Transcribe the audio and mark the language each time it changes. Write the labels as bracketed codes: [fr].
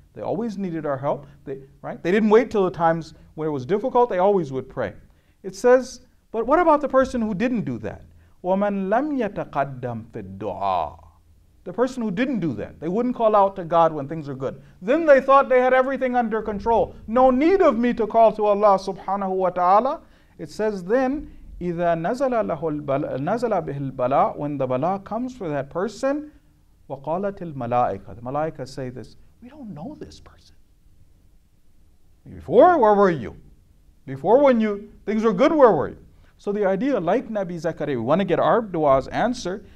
[en] They always needed our help. They didn't wait till the times when it was difficult. They always would pray. It says, but what about the person who didn't do that? [ar] وَمَنْ لَمْ يَتَقَدَّمْ فِي الدُّعَى. [en] The person who didn't do that. They wouldn't call out to God when things are good. Then they thought they had everything under control. No need of me to call to Allah subhanahu wa ta'ala. It says then, [ar] إِذَا نَزَلَ بِهِ الْبَلَىٰ. [en] When the bala comes for that person, [ar] وَقَالَتِ الْمَلَائِكَ. [en] The malaika say this, we don't know this person. Before, where were you? Before when you things were good, where were you? So the idea, like Nabi Zakaria, we want to get our du'as answered.